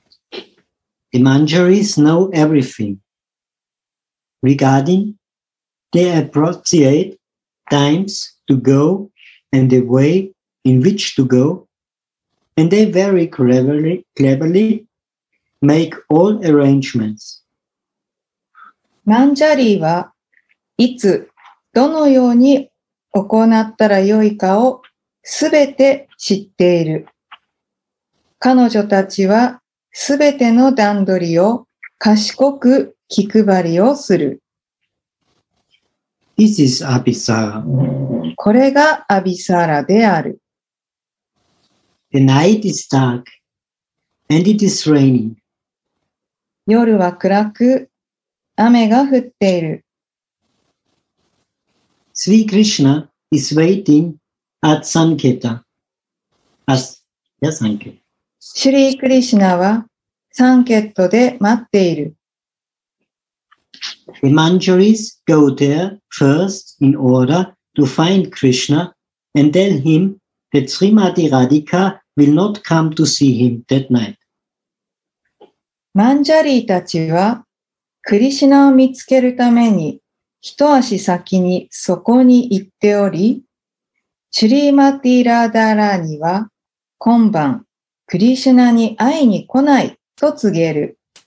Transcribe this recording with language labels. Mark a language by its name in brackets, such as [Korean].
[English] The Manjaris know everything regarding their appropriate times to go and the wayin which to go, and they very cleverly make all arrangements. [Japanese] マンジャリーはいつどのように行ったらよいかをすべて知っている。彼女たちはすべての段取りを賢く気配りをする。 [English] This is Abhisara. [Japanese] これがアビサラである。 [English] The night is dark and it is raining. [Japanese] 夜は暗く、雨が降っている。 [English] Sri Krishna is waiting at Sanketa. [Japanese] Shri Krishna はサンケットで待っている。 [English] The Manjaris go there first in order to find Krishna and tell him that Srimati Radhika. Will not come to see him that night. [Japanese] マンジャリーたちはクリシナを見つけるために一足先にそこに行っており、シュリーマティラーダーラーには今晩クリシナに会いに来ないと告げる。